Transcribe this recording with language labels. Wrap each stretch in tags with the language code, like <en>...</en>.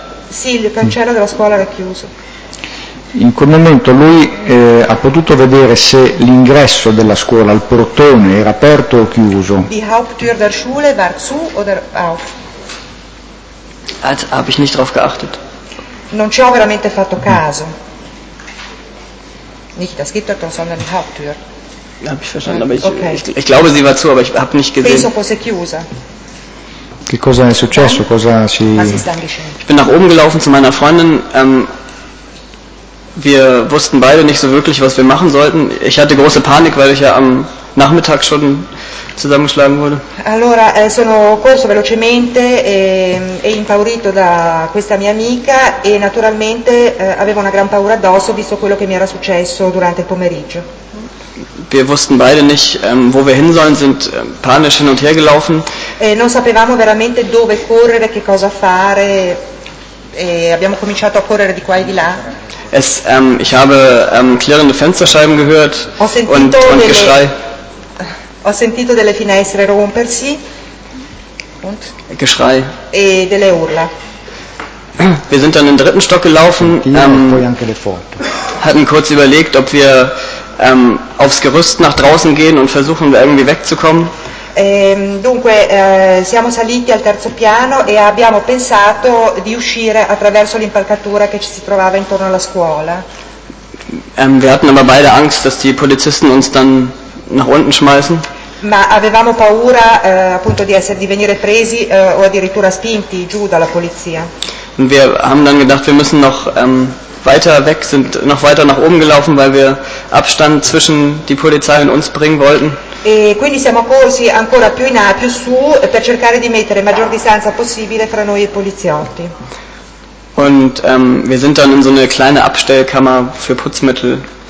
<it>Sì, il cancello della scuola era chiuso. In quel momento lui ha potuto vedere se l'ingresso della scuola, il portone, era aperto o chiuso?</it> <de>Die Haupttür der Schule war zu oder auf? Als habe ich nicht drauf geachtet.</de> <it>Non ci ho veramente fatto caso.</it> <de>Nicht das Gittertor, sondern die Haupttür. Habe ich verstanden, aber ich glaube, sie war zu, aber ich habe nicht gesehen.</de> <it>Penso fosse chiusa. Che cosa è successo?</it> <de>Ich bin nach oben gelaufen zu meiner Freundin. Wir wussten beide nicht so wirklich, was wir machen sollten. Ich hatte große Panik, weil ich ja am Nachmittag schon zusammengeschlagen wurde.</de> <it>Allora, sono corso velocemente e impaurito da questa mia amica e naturalmente avevo una gran paura addosso visto quello che mi era successo durante il pomeriggio.</it> <de>Wir wussten beide nicht, wo wir hin sollen, sind panisch hin und her gelaufen.</de> <it>Non sapevamo veramente dove correre, che cosa fare e abbiamo cominciato a correre di qua e di là.</it> <de>Ich habe klirrende Fensterscheiben gehört und Geschrei.</de> <it>Ho sentito delle finestre rompersi</it> <de>und Geschrei</de> <it>e delle urla.</it> <de>Wir sind dann in den dritten Stock gelaufen, hatten kurz überlegt, ob wir aufs Gerüst nach draußen gehen und versuchen, irgendwie wegzukommen.</de> <it>Dunque siamo saliti al terzo piano e abbiamo pensato di uscire attraverso l'impalcatura che ci si trovava intorno alla scuola.</it> <de>Wir hatten aber beide Angst, dass die Polizisten uns dann nach unten schmeißen.</de> <it>Ma avevamo paura appunto di essere, di venire presi o addirittura spinti giù dalla polizia.</it> <de>Wir haben dann gedacht, wir müssen noch weiter weg, sind noch weiter nach oben gelaufen, weil wir Abstand zwischen die Polizei und uns bringen wollten.</de> <it>E quindi siamo corsi ancora più in A, più su, per cercare di mettere maggior distanza possibile fra noi e i poliziotti.</it> <de>Und wir sind dann in so eine kleine Abstellkammer für Putzmittel.</de>